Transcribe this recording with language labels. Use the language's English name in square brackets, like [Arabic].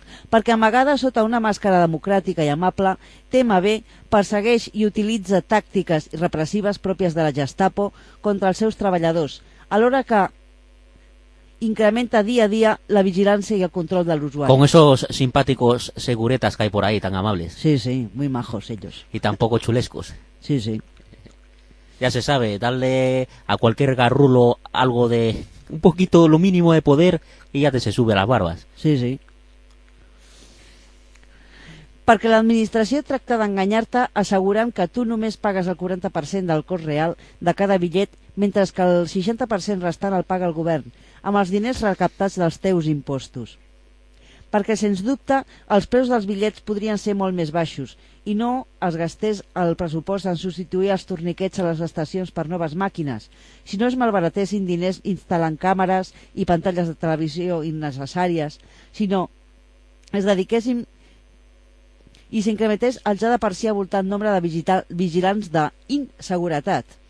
[Catalan] perquè amagada sota una màscara democràtica i amable, TMB persegueix i utilitza tàctiques repressives pròpies de la Gestapo contra els seus treballadors, alhora que incrementa dia a dia la vigilància i el control de l'usuari. [Spanish] Con esos simpáticos seguretas que hay por ahí, tan amables. Sí, sí, muy majos ellos. Y tampoco chulescos. Sí, sí. Ya se sabe, darle a cualquier garrulo algo de un poquito, lo mínimo de poder, y ya te se sube a las barbas. Sí, sí. [Catalan] Perquè l'administració tracta d'enganyar-te assegurant que tu només pagues el 40% del cost real de cada bitllet, mentre que el 60% restant el paga el govern, amb els diners recaptats dels teus impostos. Perquè, sens dubte, els preus dels bitllets podrien ser molt més baixos i no es gastés el pressupost en substituir els torniquets a les estacions per noves màquines, si no es malbaratessin diners instal·lant càmeres i pantalles de televisió innecessàries, sinó es dediquessin i s'incrementés el ja de per si avoltant nombre de vigilants d'inseguretat.